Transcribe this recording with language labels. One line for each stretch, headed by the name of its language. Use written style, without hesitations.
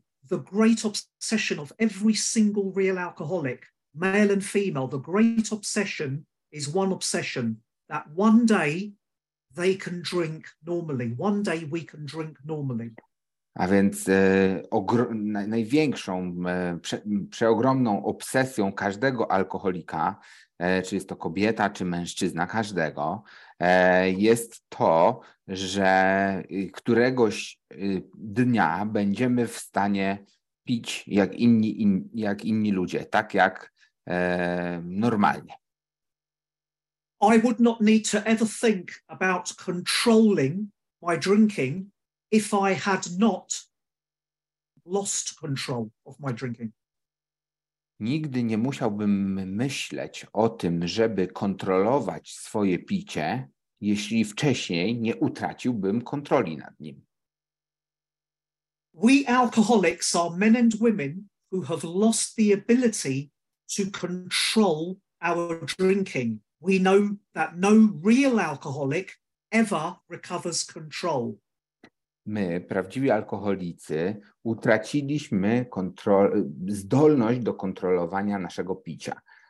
English: The great obsession of every single real alcoholic, male and female, the great obsession is one obsession, that one day they can drink normally, one day we can drink normally.
Polish: A więc największą, przeogromną obsesją każdego alkoholika, czy jest to kobieta, czy mężczyzna, każdego, jest to, że któregoś dnia będziemy w stanie pić jak inni ludzie, tak jak normalnie.
English: I would not need to ever think about controlling my drinking if I had not lost control of my drinking.
Polish: Nigdy nie musiałbym myśleć o tym, żeby kontrolować swoje picie, jeśli wcześniej nie utraciłbym kontroli nad nim.
English: We alcoholics are men and women who have lost the ability to control our drinking. We know that no real alcoholic ever recovers control.
Polish: My, prawdziwi alkoholicy, utraciliśmy zdolność do kontrolowania naszego picia.